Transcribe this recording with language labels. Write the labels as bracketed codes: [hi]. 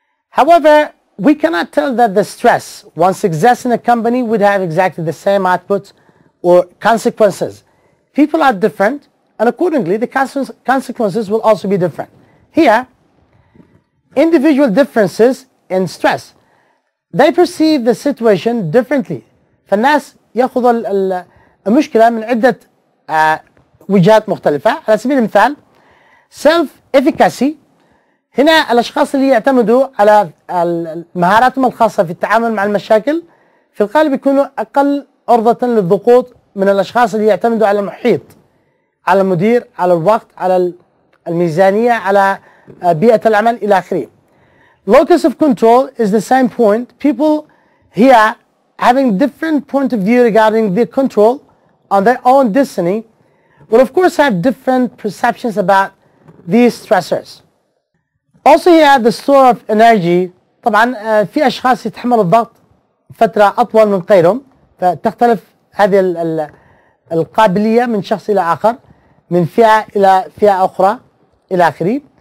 [en] However, we cannot tell that the stress once exists in a company would have exactly the same output or consequences. People are different. And accordingly, the consequences will also be different. Here, individual differences in stress. They perceive the situation differently. [ar] فالناس يأخذوا المشكلة من عدة وجهات مختلفة. على سبيل المثال, self-efficacy. هنا الأشخاص اللي يعتمدوا على مهاراتهم الخاصة في التعامل مع المشاكل في الغالب يكونوا أقل عرضة للضغوط من الأشخاص اللي يعتمدوا على المحيط. على المدير, على الوقت, على الميزانية, على بيئة العمل إلى آخره. [en] Locus of control is the same point. People here having different point of view regarding their control on their own destiny will of course have different perceptions about these stressors. Also here the store of energy. [ar] طبعا في أشخاص يتحملوا الضغط فترة أطول من غيرهم فتختلف هذه القابلية من شخص إلى آخر. من فئة إلى فئة أخرى إلى آخره.